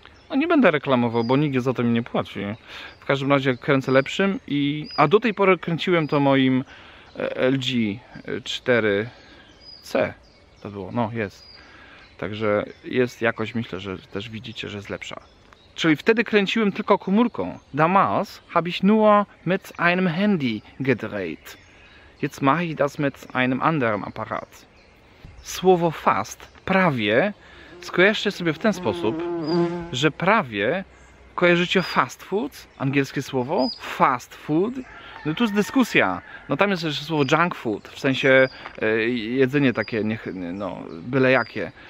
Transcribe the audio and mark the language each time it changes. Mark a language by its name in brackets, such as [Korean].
[Polish] No nie będę reklamował, bo nikt za to mi nie płaci. W każdym razie kręcę lepszym i... A do tej pory kręciłem to moim LG 4C. To było, no jest. Także jest jakoś, myślę, że też widzicie, że jest lepsza. Czyli wtedy kręciłem tylko komórką. [German] Damals habe ich nur mit einem Handy gedreht. Jetzt mache ich das mit einem anderen Apparat. [Polish] Słowo fast, prawie, skojarzcie sobie w ten sposób, że prawie kojarzycie fast food, angielskie słowo, fast food. No tu jest dyskusja. No tam jest jeszcze słowo junk food, w sensie jedzenie takie, byle jakie.